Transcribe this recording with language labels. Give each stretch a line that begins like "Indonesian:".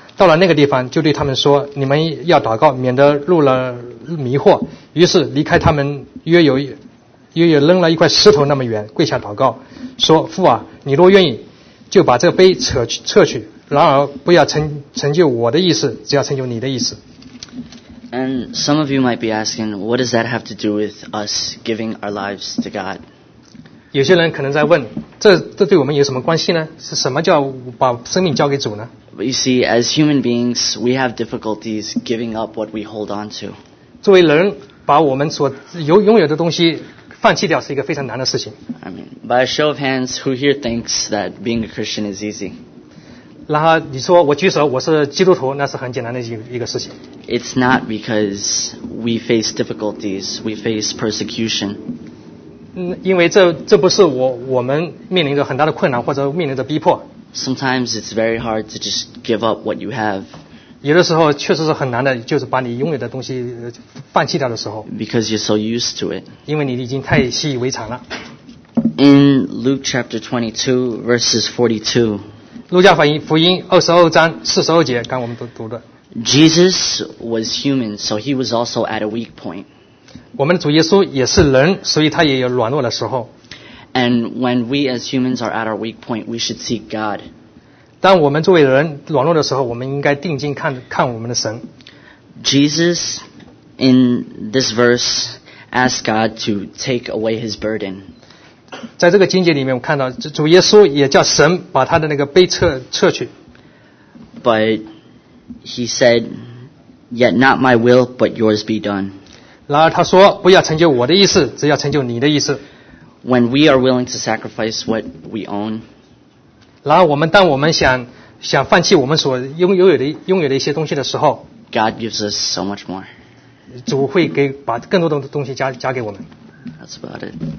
Chinese: 到了那个地方，就对他们说：“你们要祷告，免得入了迷惑。” 于是离开他们，约有扔了一块石头那么远，跪下祷告，说：“父啊，你若愿意，就把这杯撤去。然而不要成就我的意思，只要成就你的意思。”
English: And some of you might be asking, what does that have to do with us giving our lives to God?
Chinese: 有些人可能在问，这对我们有什么关系呢？是什么叫把生命交给主呢？
English: But you see, as human beings, we have difficulties giving up what we hold on to.
Chinese: 作为人，把我们所拥有的东西放弃掉是一个非常难的事情。
English: I mean, by a show of hands, who here thinks that being a Christian is easy?
Chinese: 然后你说我举手，我是基督徒，那是很简单的一个事情。
English: It's not because we face difficulties, we face persecution.
Chinese: 因为这不是我们面临着很大的困难或者面临着逼迫。
English: Sometimes it's very hard to just give up what you have.
Chinese: 有的时候确实是很难的，就是把你拥有的东西放弃掉的时候。
English: Because you're so used to it.
Chinese: 因为你已经太习以为常了。
English: In Luke chapter 22, verses 42.
Chinese: 路加福音二十二章四十二节，刚我们都读的。
English: Jesus was human, so he was also at a weak point.
Chinese: 我们主耶稣也是人，所以他也有软弱的时候。
English: And when we as humans are at our weak point, we should seek God.
Chinese: 当我们作为人软弱的时候，我们应该定睛看我们的神。
English: Jesus, in this verse, asked God to take away his burden.
Chinese: 在这个经节里面，我看到主耶稣也叫神把他的那个悲撤去。
English: But he said, "Yet not my will, but yours be done."
Chinese: 然而他说不要成就我的意思只要成就你的意思
English: When we are willing to sacrifice what we own
Chinese: 然而我们当我们想放弃我们所拥有的一些东西的时候
English: God gives us so much more
Chinese: 主会给把更多的东西加给我们
English: That's about it